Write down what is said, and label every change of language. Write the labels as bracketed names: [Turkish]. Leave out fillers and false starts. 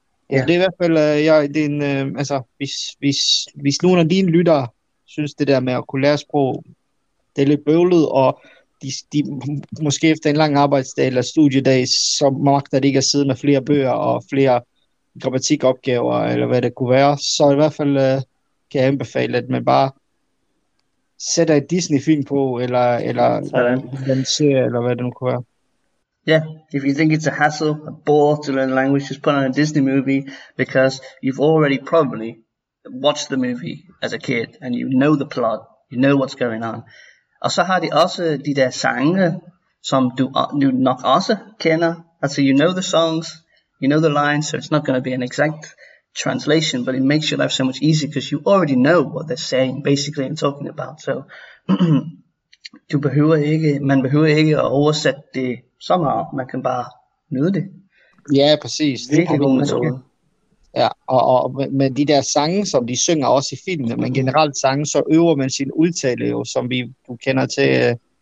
[Danish] Så det er i hvert fald, hvis nogen af dine lyttere synes, det der med at kunne lære sprog, det er lidt bøvlet, og de måske efter en lang arbejdsdag eller studiedag, så magter de ikke at sidde med flere bøger og flere grammatikopgaver, eller hvad det kunne være, så i hvert fald kan jeg anbefale, at man bare sætter et Disney-film på, eller Sådan. en serie, eller hvad det nu kunne være. [English] Yeah, if you think it's a hassle, a bore to learn a language, just put on a Disney movie, because you've already probably watched the movie as a kid and you know the plot, you know what's going on. [Danish] Og så har de også de der sange, som du nok også kender. [English] Altså, you know the songs, you know the lines, so it's not going to be an exact translation, but it makes your life so much easier because you already know what they're saying, basically, and talking about. [Danish] So, man behøver ikke at oversætte det så meget. Man kan bare nyde det. Ja, præcis. Virkelig god metode. Ja, og med de der sange, som de synger også i filmene, men generelt sange, så øver man sin udtale jo, som du kender til.